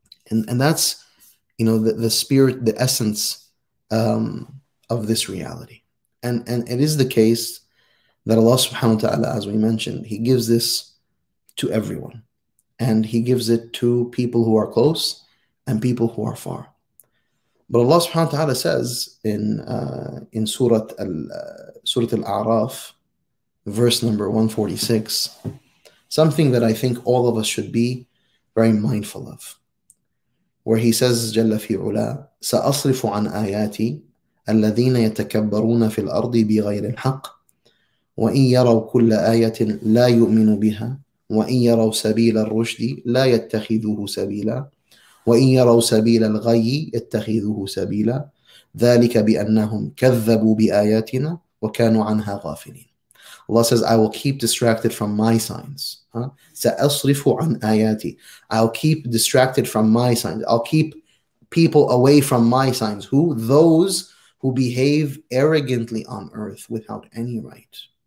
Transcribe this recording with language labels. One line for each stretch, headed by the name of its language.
English: And that's, you know, the spirit, the essence of this reality. And it is the case that Allah subhanahu wa ta'ala, as we mentioned, He gives this to everyone. And He gives it to people who are close and people who are far. But Allah subhanahu wa ta'ala says in Surah Al-A'raf, verse number 146, something that I think all of us should be very mindful of, where He says,
Arabic: جَلَّ فِي عُلَىٰ سَأَصْرِفُ عَنْ آيَاتِي الَّذِينَ يَتَكَبَّرُونَ فِي الْأَرْضِ بِغَيْرِ الْحَقِّ وَإِنْ يَرَوْ كُلَّ آيَةٍ لَا يُؤْمِنُ بِهَا وَإِنْ يَرَوْ سَبِيلَ الرُّشْدِ لَا يَتَّخِذُهُ سَبِيلًا وَإِنْ يَرَوْا سَبِيلَ الْغَيِّ يَتَّخِذُهُ سَبِيلًا ذَلِكَ بِأَنَّهُمْ كَذَّبُوا بِآيَاتِنَا وَكَانُوا عَنْهَا غَافِلِينَ.
English: Allah says, I will keep distracted from my signs.
Arabic: سَأَصْرِفُ عَنْ آيَاتِي.
English: I'll keep distracted from my signs. I'll keep people away from my signs. Who? Those who behave arrogantly on earth without any right.